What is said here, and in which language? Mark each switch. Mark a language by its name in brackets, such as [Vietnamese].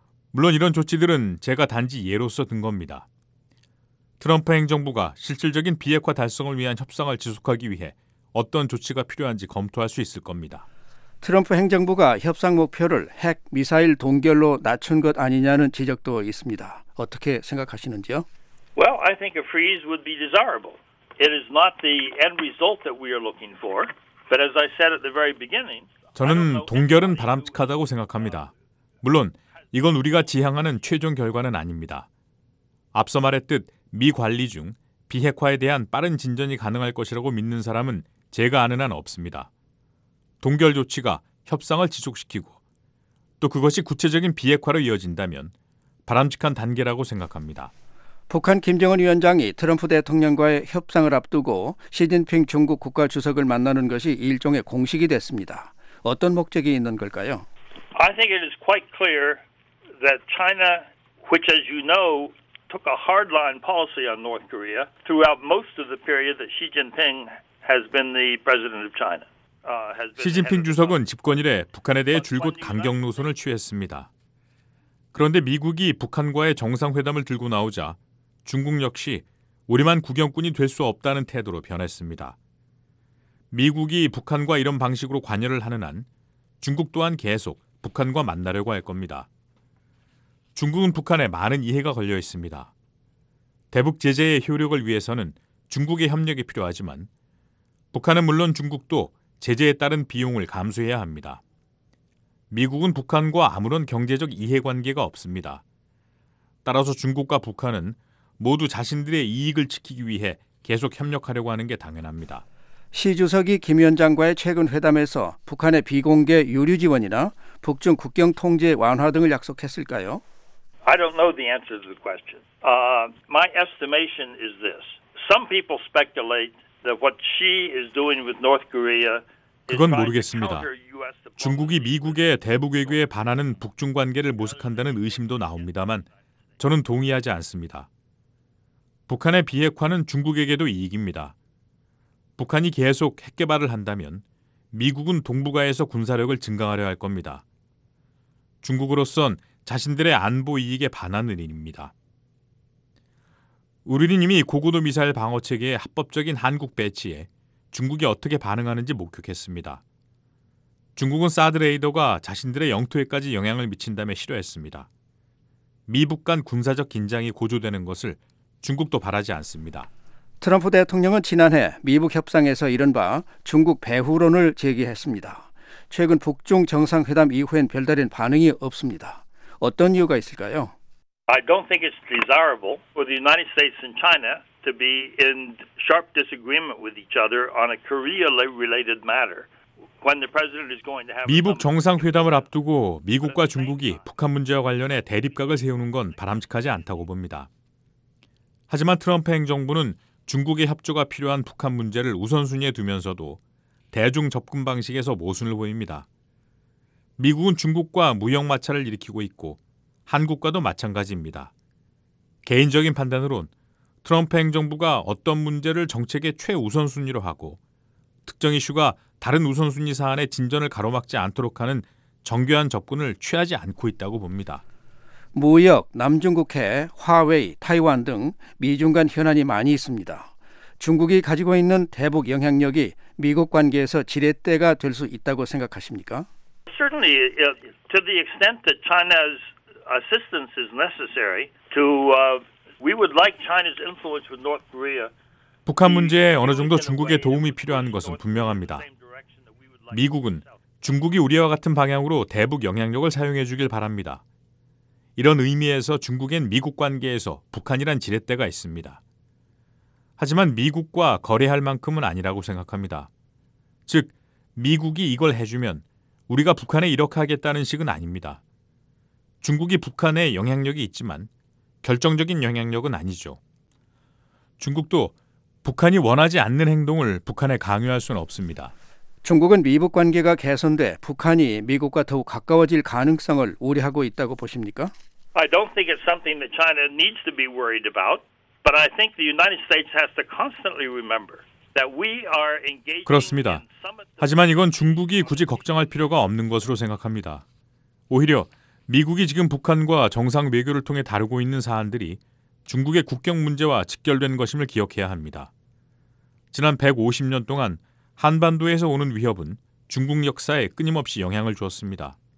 [Korean] 물론 이런 조치들은 제가 단지 예로서 든 겁니다. 트럼프 행정부가 실질적인 비핵화 달성을 위한 협상을 지속하기 위해 어떤 조치가 필요한지 검토할 수 있을 겁니다. 트럼프 행정부가 협상 목표를 핵 미사일 동결로 낮춘 것 아니냐는 지적도 있습니다. 어떻게 생각하시는지요? [English] Well, I think a freeze would be desirable. It is not the end result that we are looking for, but as I said at the very beginning, [Korean] 저는 동결은 바람직하다고 생각합니다. 물론 이건 우리가 지향하는 최종 결과는 아닙니다. 앞서 말했듯 미 관리 중 비핵화에 대한 빠른 진전이 가능할 것이라고 믿는 사람은 제가 아는 한 없습니다. 동결 조치가 협상을 지속시키고 또 그것이 구체적인 비핵화로 이어진다면 바람직한 단계라고 생각합니다. 북한 김정은 위원장이 트럼프 대통령과의 협상을 앞두고 시진핑 중국 국가주석을 만나는 것이 일종의 공식이 됐습니다. 어떤 목적이 있는 걸까요? [English] I think it is quite clear that China, which as you know, took a hardline policy on North Korea throughout most of the period that Xi Jinping has been the president of China. [Korean] 시진핑 주석은 집권 이래 북한에 대해 줄곧 강경 노선을 취했습니다. 그런데 미국이 북한과의 정상회담을 들고 나오자 중국 역시 우리만 구경꾼이 될 수 없다는 태도로 변했습니다. 미국이 북한과 이런 방식으로 관여를 하는 한 중국 또한 계속 북한과 만나려고 할 겁니다. 중국은 북한에 많은 이해가 걸려 있습니다. 대북 제재의 효력을 위해서는 중국의 협력이 필요하지만 북한은 물론 중국도 제재에 따른 비용을 감수해야 합니다. 미국은 북한과 아무런 경제적 이해관계가 없습니다. 따라서 중국과 북한은 모두 자신들의 이익을 지키기 위해 계속 협력하려고 하는 게 당연합니다. 시 주석이 김 위원장과의 최근 회담에서 북한의 비공개 유류 지원이나 북중 국경 통제 완화 등을 약속했을까요? [English] I don't know the answer to the question. My estimation is this. Some people speculate that what she is doing with North Korea is [Korean] 그건 모르겠습니다. 중국이 미국의 대북 외교에 반하는 북중 관계를 모색한다는 의심도 나옵니다만 저는 동의하지 않습니다. 북한의 비핵화는 중국에게도 이익입니다. 북한이 계속 핵 개발을 한다면 미국은 동북아에서 군사력을 증강하려 할 겁니다. 중국으로선 자신들의 안보 이익에 반하는 일입니다. 우리는 이미 고고도 미사일 방어 체계의 합법적인 한국 배치에 중국이 어떻게 반응하는지 목격했습니다. 중국은 사드 레이더가 자신들의 영토에까지 영향을 미친다며 싫어했습니다. 미북 간 군사적 긴장이 고조되는 것을 중국도 바라지 않습니다. 트럼프 대통령은 지난해 미북 협상에서 이른바 중국 배후론을 제기했습니다. 최근 북중 정상회담 이후엔 별다른 반응이 없습니다. 어떤 이유가 있을까요? [English] I don't think it's desirable for the United States and China to be in sharp disagreement with each other on a Korea-related matter when the president is going to have [Korean] 미북 정상회담을 앞두고 미국과 중국이 북한 문제와 관련해 대립각을 세우는 건 바람직하지 않다고 봅니다. 하지만 트럼프 행정부는 중국의 협조가 필요한 북한 문제를 우선순위에 두면서도 대중 접근 방식에서 모순을 보입니다. 미국은 중국과 무역 마찰을 일으키고 있고 한국과도 마찬가지입니다. 개인적인 판단으론 트럼프 행정부가 어떤 문제를 정책의 최우선순위로 하고 특정 이슈가 다른 우선순위 사안의 진전을 가로막지 않도록 하는 정교한 접근을 취하지 않고 있다고 봅니다. 무역, 남중국해, 화웨이, 타이완 등 미중 간 현안이 많이 있습니다. 중국이 가지고 있는 대북 영향력이 미국 관계에서 지렛대가 될 수 있다고 생각하십니까? [English] Certainly, to the extent that China's assistance is necessary to we would like China's influence with North Korea. [Korean] 북한 문제에 어느 정도 중국의 도움이 필요한 것은 분명합니다. 미국은 중국이 우리와 같은 방향으로 대북 영향력을 사용해 주길 바랍니다. 이런 의미에서 중국엔 미국 관계에서 북한이란 지렛대가 있습니다. 하지만 미국과 거래할 만큼은 아니라고 생각합니다. 즉 미국이 이걸 해 주면 우리가 북한에 이렇게 하겠다는 식은 아닙니다. 중국이 북한에 영향력이 있지만 결정적인 영향력은 아니죠. 중국도 북한이 원하지 않는 행동을 북한에 강요할 수는 없습니다. 중국은 미북 관계가 개선돼 북한이 미국과 더욱 가까워질 가능성을 우려하고 있다고 보십니까? [English] I don't think it's something that China needs to be worried about, but I think the United States has to constantly remember that we are engaging. [Korean] 그렇습니다. 하지만 이건 중국이 굳이 걱정할 필요가 없는 것으로 생각합니다. 오히려 미국이 지금 북한과 정상 외교를 통해 다루고 있는 사안들이 중국의 국경 문제와 직결된 것임을 기억해야 합니다. 지난 150년 동안 한반도에서 오는 위협은 중국 역사에 끊임없이 영향을 주었습니다.